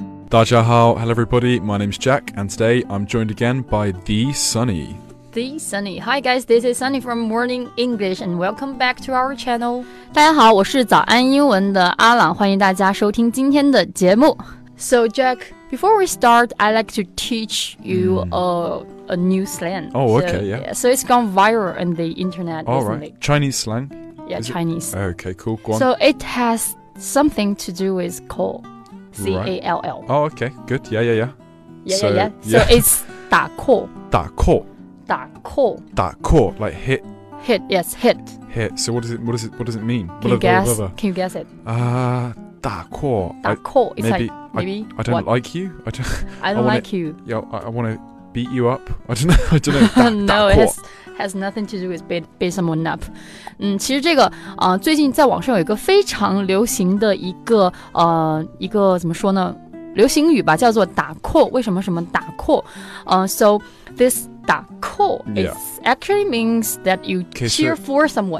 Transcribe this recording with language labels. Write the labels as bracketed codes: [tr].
[zh] Daja hao, [en] hello everybody, my name's Jack, and today I'm joined again by The Sunny. The Sunny. Hi guys, this is Sunny from Morning English, and welcome back to our channel. [zh] 大家好，我是早安英文的阿朗，欢迎大家收听今天的节目。 [en] So Jack, before we start, I'd like to teach you a new slang. Oh, okay, yeah. So it's gone viral on the internet, isn't it? Chinese slang? Yeah, Chinese. Okay, cool, go on. So it has something to do with call. C-A-L-L. Oh, okay. Good. So it's 打 call. 打 call. 打 call. 打 call. Like hit. Hit. Yes, hit. Hit. So what does it, what does it, what does it mean? Can you guess it? 打 call. 打 call. It's maybe, like, maybe, I don't like you. I don't like you. Yo, I want to beat you up. I don't know. It has nothing to do with beat someone up. [zh] 其实这个、最近在网上有一个非常流行的一个、一个怎么说呢，流行语吧，叫做打 call。为什么什么打 call、 [en] So this [zh] 打 call、 [en] yeah. actually means that you cheer for someone.